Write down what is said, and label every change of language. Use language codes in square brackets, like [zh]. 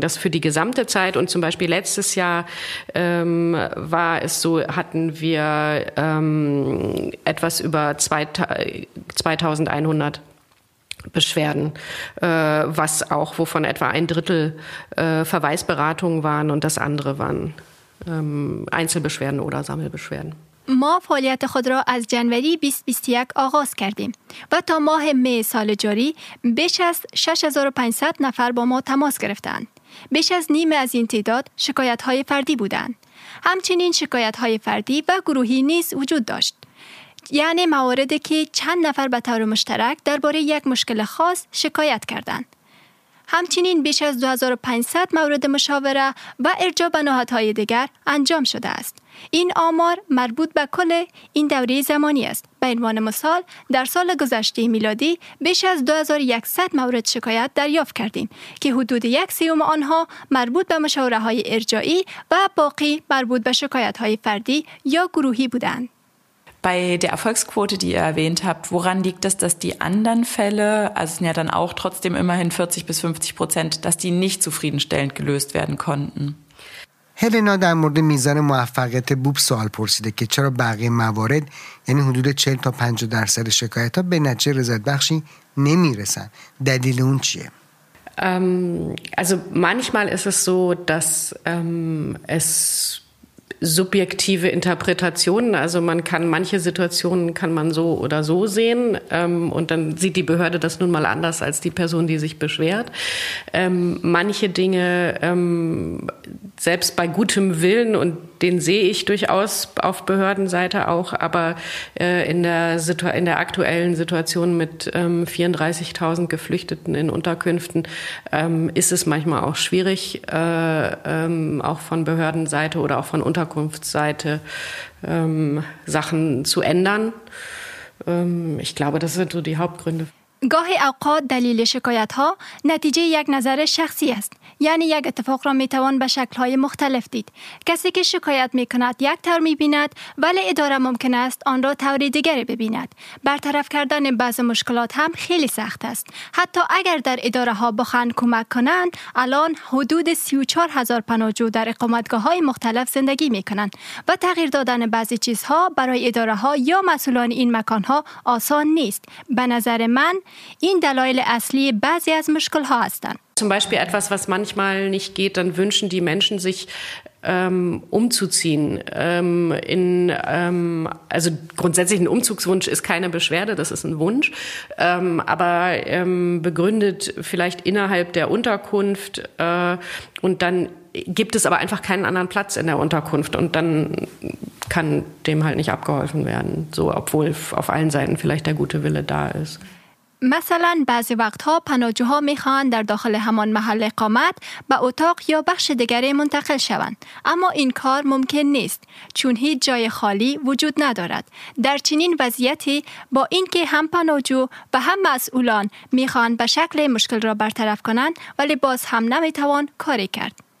[de] Das für die gesamte Zeit. Und zum Beispiel letztes Jahr war es so, hatten wir etwas über 2.100 Beschwerden, was auch, wovon etwa ein Drittel Verweisberatungen waren und das andere waren Einzelbeschwerden oder Sammelbeschwerden. [fa] ما فعالیت خود را از جنوری 2021 آغاز کردیم و تا ماه می سال جاری بیش از 6500 نفر با ما تماس گرفتند. بیش از نیمه از این تعداد شکایت های فردی بودند. همچنین شکایت های فردی و گروهی نیز وجود داشت. یعنی مواردی که چند نفر به طور مشترک درباره یک مشکل خاص شکایت کردند. همچنین بیش از 2500 مورد مشاوره و ارجاع به نهادهای دیگر انجام شده است. این آمار مربوط به کل این دوره زمانی است. به عنوان مثال، در سال گذشته میلادی بیش از 2100 مورد شکایت دریافت کردیم که حدود 1/3 آنها مربوط به مشاوره های ارجاعی و باقی مربوط به شکایت های فردی یا گروهی بودند. [de] Bei der Erfolgsquote, die ihr erwähnt habt, woran liegt das, dass die anderen Fälle, also ja dann auch trotzdem immerhin 40-50%, dass die nicht zufriedenstellend gelöst werden konnten? [fa] Helena, در مورد میزان موفقیت بوب سوال پرسیده که چرا بقیه موارد یعنی حدود 40-50% شکایت ها به نتیجه رضایت‌بخشی نمیرسن. دلیل اون چیه؟ [de] Also manchmal ist es so, dass es subjektive Interpretationen, also man kann manche Situationen kann man so oder so sehen und dann sieht die Behörde das nun mal anders als die Person, die sich beschwert. Manche Dinge, selbst bei gutem Willen und den sehe ich durchaus auf Behördenseite auch, aber in der aktuellen Situation mit 34.000 Geflüchteten in Unterkünften ist es manchmal auch schwierig, auch von Behördenseite oder auch von Unterkunftsseite Sachen zu ändern. Ich glaube, das sind so die Hauptgründe. [fa] گاهی اوقات دلیل شکایت ها نتیجه یک نظر شخصی است، یعنی یک اتفاق را می توان به شکل های مختلف دید. کسی که شکایت می کند یک طور می بیند، ولی اداره ممکن است آن را طور دیگری ببیند. برطرف کردن بعض مشکلات هم خیلی سخت است. حتی اگر در اداره ها بخواهند کمک کنند، الان حدود 34,000 پناهجو در اقامتگاه های مختلف زندگی می کنند و تغییر دادن بعضی چیزها برای اداره ها یا مسئولان این مکان ها آسان نیست. به نظر من این دلایل اصلی بعضی از مشکل ها هستند. [de] Zum Beispiel etwas, was manchmal nicht geht, dann wünschen die Menschen sich umzuziehen. Also grundsätzlich ein Umzugswunsch ist keine Beschwerde, das ist ein Wunsch. Aber begründet vielleicht innerhalb der Unterkunft und dann gibt es aber einfach keinen anderen Platz in der Unterkunft und dann kann dem halt nicht abgeholfen werden, so obwohl auf allen Seiten vielleicht der gute Wille da ist. [fa] مثلا بعضی وقتها پناهجوها میخوان در داخل همان محل اقامت به اتاق یا بخش دیگری منتقل شوند. اما این کار ممکن نیست چون هیچ جای خالی وجود ندارد. در چنین وضعیتی با اینکه هم پناهجو و هم مسئولان میخوان به شکل مشکل را برطرف کنند ولی باز هم نمیتوان کاری کرد.